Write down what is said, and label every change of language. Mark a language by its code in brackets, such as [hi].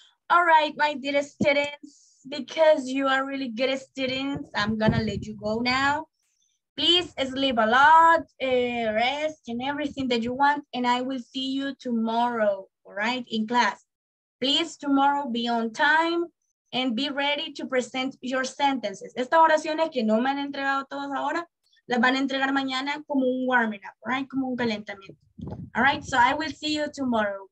[en] All right, my dear students, because you are really good students, I'm going to let you go now. Please sleep a lot, rest and everything that you want. And I will see you tomorrow, all right, in class. Please tomorrow be on time and be ready to present your sentences. [es] Estas oraciones que no me han entregado todas ahora, las van a entregar mañana como un warming up, right? Como un calentamiento. [en] All right, so I will see you tomorrow.